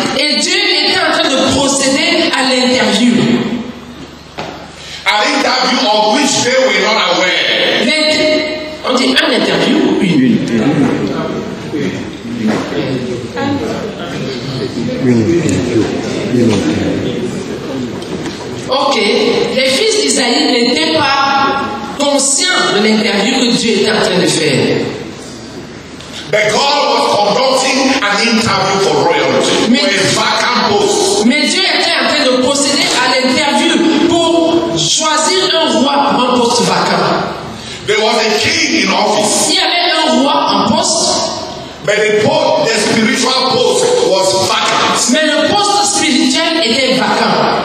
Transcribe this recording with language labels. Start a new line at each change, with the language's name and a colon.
French: Et Dieu était en train de procéder à l'interview.
English: An interview of which they were not aware.
French: Mais, en accordé un interview ou une unité. Ok, les fils d'Isaïe n'étaient pas conscients de l'interview que Dieu était en train de faire.
English: But God was conducting an interview for royalty.
French: Mais,
English: for a vacant post.
French: Mais Dieu était en train de procéder à l'interview pour choisir un roi pour un poste vacant.
English: There was a king in office.
French: Il y avait un roi en poste.
English: But the spiritual post was vacant.
French: Mais le poste spirituel était vacant.